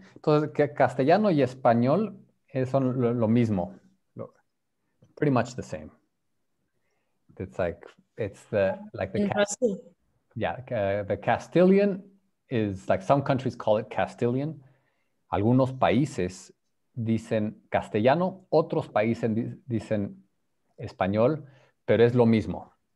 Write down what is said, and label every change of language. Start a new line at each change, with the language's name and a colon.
Spanish: Entonces, que castellano y español son lo mismo.
English: Pretty much the same. It's like, the Castilian is like, some countries call it Castilian.
Spanish: Algunos países dicen castellano, otros países dicen español, pero es lo mismo.